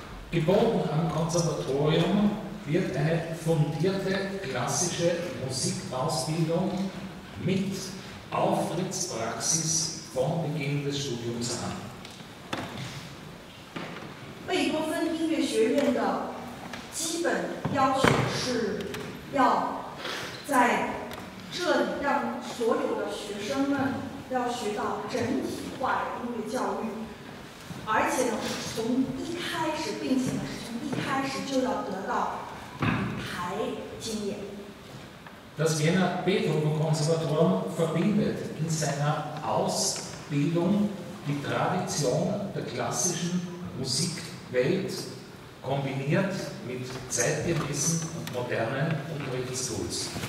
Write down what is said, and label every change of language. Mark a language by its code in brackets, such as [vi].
[de] Geboren am Konservatorium wird eine fundierte klassische Musikausbildung mit Auftrittspraxis vom Beginn des Studiums an. [zh] 基本要求是要在这里让所有的学生们要学到整体化的音乐教育，而且呢，是从一开始，并且呢，是从一开始就要得到舞台经验。 [de] Das Wiener Beethoven-Konservatorium verbindet in seiner Ausbildung die Tradition der klassischen Musikwelt kombiniert mit zeitgemäßen und modernen Unterrichtstools.